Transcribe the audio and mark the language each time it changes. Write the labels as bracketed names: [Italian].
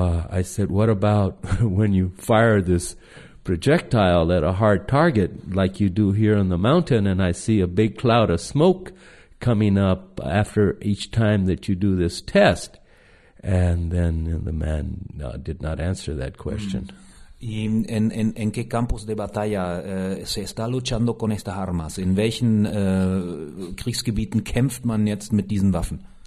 [English] I said, what about when you fire this projectile at a hard target like you do here in the mountain, and I see a big cloud of smoke coming up after each time that you do this test? And then the man did not answer that question. [Spanish] ¿Y en qué campos de batalla se está luchando con estas armas? [German] ¿En welchen Kriegsgebieten kämpft man jetzt mit diesen Waffen?